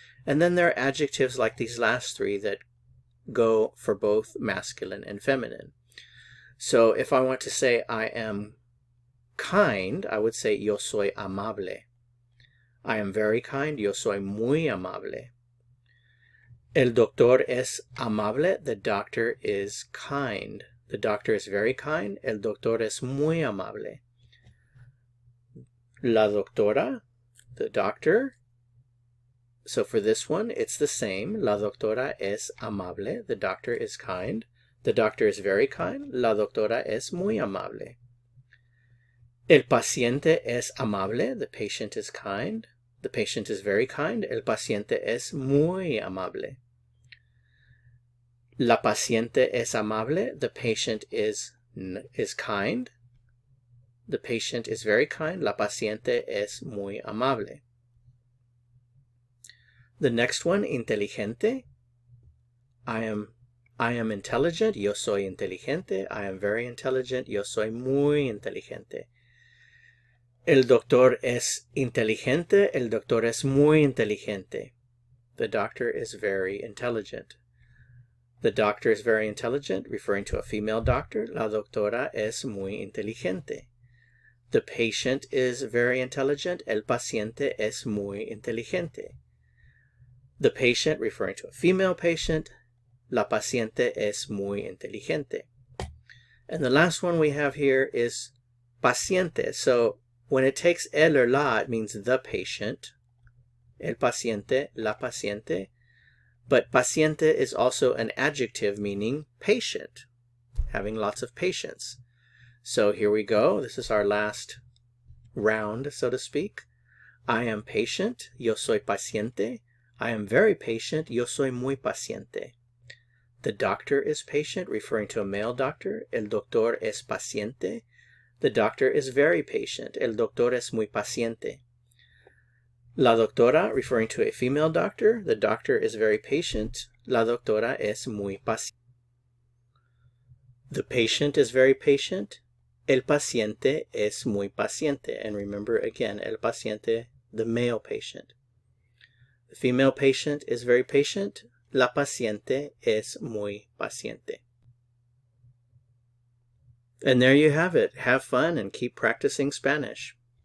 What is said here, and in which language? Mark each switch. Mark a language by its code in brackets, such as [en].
[en] And then there are adjectives like these last three that go for both masculine and feminine. So if I want to say I am kind, I would say [es] yo soy amable. [en] I am very kind, [es] yo soy muy amable. El doctor es amable, [en] the doctor is kind. The doctor is very kind, [es] el doctor es muy amable. La doctora, [en] the doctor. So for this one, it's the same. [es] La doctora es amable. [en] The doctor is kind. The doctor is very kind. [es] La doctora es muy amable. El paciente es amable. [en] The patient is kind. The patient is very kind. [es] El paciente es muy amable. La paciente es amable. [en] The patient is kind. The patient is very kind. [es] La paciente es muy amable. [en] The next one, inteligente. I am intelligent. [es] Yo soy inteligente. [en] I am very intelligent. [es] Yo soy muy inteligente. El doctor es inteligente. El doctor es muy inteligente. [en] The doctor is very intelligent. The doctor is very intelligent, referring to a female doctor. [es] La doctora es muy inteligente. [en] The patient is very intelligent. [es] El paciente es muy inteligente. [en] The patient, referring to a female patient. [es] La paciente es muy inteligente. [en] And the last one we have here is paciente. So when it takes el or la, it means the patient. [es] El paciente, la paciente. [en] But paciente is also an adjective meaning patient, having lots of patience. So here we go. This is our last round, so to speak. I am patient. [es] Yo soy paciente. [en] I am very patient. [es] Yo soy muy paciente. [en] The doctor is patient, referring to a male doctor. [es] El doctor es paciente. [en] The doctor is very patient. [es] El doctor es muy paciente. La doctora, [en] referring to a female doctor. The doctor is very patient. [es] La doctora es muy paciente. [en] The patient is very patient. [es] El paciente es muy paciente. [en] And remember again, [es] el paciente, [en] the male patient. The female patient is very patient. [es] La paciente es muy paciente. [en] And there you have it. Have fun and keep practicing Spanish.